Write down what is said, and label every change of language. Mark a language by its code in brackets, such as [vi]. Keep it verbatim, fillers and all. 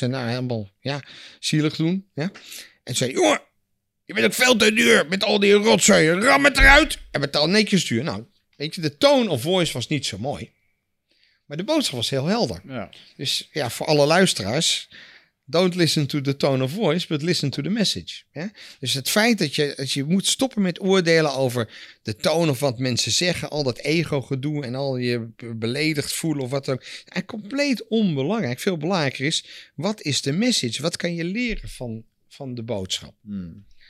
[nl] En nou, helemaal ja, zielig doen. Ja. En zei jongen, je bent ook veel te duur met al die rotzooi. Ram het eruit en betaal netjes duur. Nou, weet je, de [en] tone of voice [nl] was niet zo mooi. Maar de boodschap was heel helder. Ja. Dus ja, voor alle luisteraars... [en] don't listen to the tone of voice, but listen to the message. [nl] Hè? Dus het feit dat je, dat je moet stoppen met oordelen over de toon of wat mensen zeggen... al dat ego-gedoe en al je beledigd voelen of wat dan ook... en compleet onbelangrijk. Veel belangrijker is, wat is de message? Wat kan je leren van, van de boodschap? Hmm.